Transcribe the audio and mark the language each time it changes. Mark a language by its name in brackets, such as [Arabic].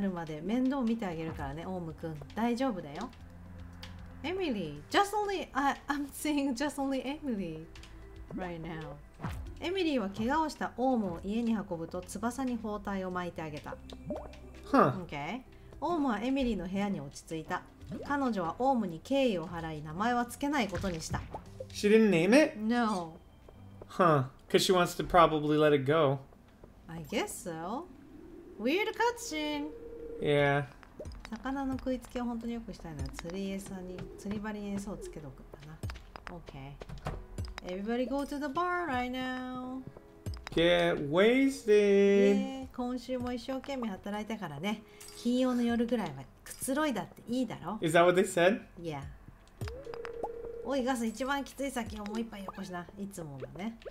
[Japanese] 心配しないで、元気になるまで面倒見てあげるからね、オウム君。大丈夫だよ。 [English] Emily, just only I'm seeing just only Emily right now. [Japanese] エミリーは怪我をしたオウムを家に運ぶと翼に包帯を巻いてあげた。 [English] Huh. Okay. [Japanese] オウムはエミリーの部屋に落ち着いた。彼女はオウムに敬意を払い、名前は付けないことにした。 [English] She didn't name it? No. Huh, because she wants to probably let it go. I guess so. Weird cutscene. Yeah. [Japanese] 魚の食いつきを本当によくしたいのは釣り針に餌をつけておくんだな。 [English] Okay. Everybody go to the bar right now. Get wasted. [Japanese] 今週も一生懸命働いたからね。金曜の夜ぐらいはくつろいだっていいだろ? [English] Is that what they said? Yeah. [Japanese] おい、ガス、一番きつい先をもう一杯よこしな。いつもだね。